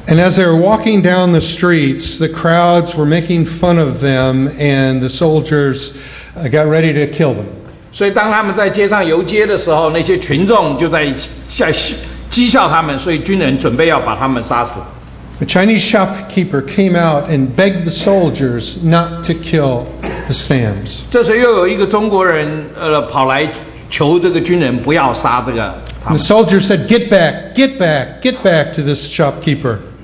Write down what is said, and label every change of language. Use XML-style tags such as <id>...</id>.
<en>And as they were walking down the streets, the crowds were making fun of them, and the soldiers got ready to kill them.</en> <zh>所以当他们在街上游街的时候，那些群众就在讥笑他们，所以军人准备要把他们杀死。</zh> <en>A Chinese shopkeeper came out and begged the soldiers not to kill the Stams.</en> <zh>这时又有一个中国人跑来求这个军人不要杀这个他们。</zh> <en>The soldier said, "Get back, get back, get back to this shopkeeper."</en>